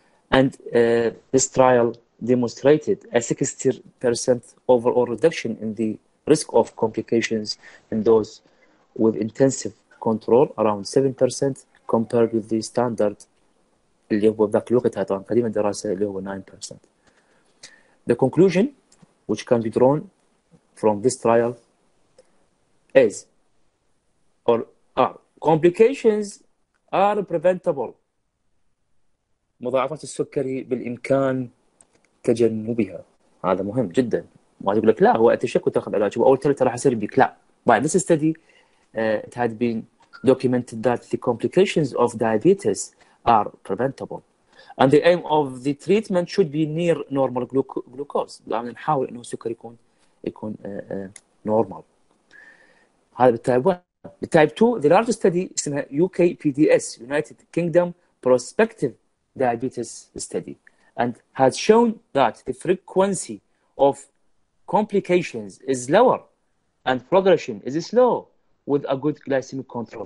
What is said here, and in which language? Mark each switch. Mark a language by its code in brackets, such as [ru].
[en] And this trial demonstrated a 60% overall reduction in the risk of complications in those with intensive control, around 7% compared with the standard [ar] اللي هو ذاك الوقت هذا قديم الدراسة اللي هو 9%. [en] The conclusion which can be drawn from this trial is complications are preventable. [ar] مضاعفات السكري بالإمكان تجنبها. هذا مهم جدا. ما تقول لك لا هو أتشك وتأخذ علاج وأول ثلاثة راح يصير بيك. لا. [en] By this study it had been documented that the complications of diabetes are preventable. And the aim of the treatment should be near normal glucose. [ar] لأن نحاول أنه السكر يكون normal. هذا بالtype 1. [en] بالtype 2, the largest study اسمها UKPDS, United Kingdom Prospective Diabetes Study, and has shown that the frequency of complications is lower and progression is slow with a good glycemic control.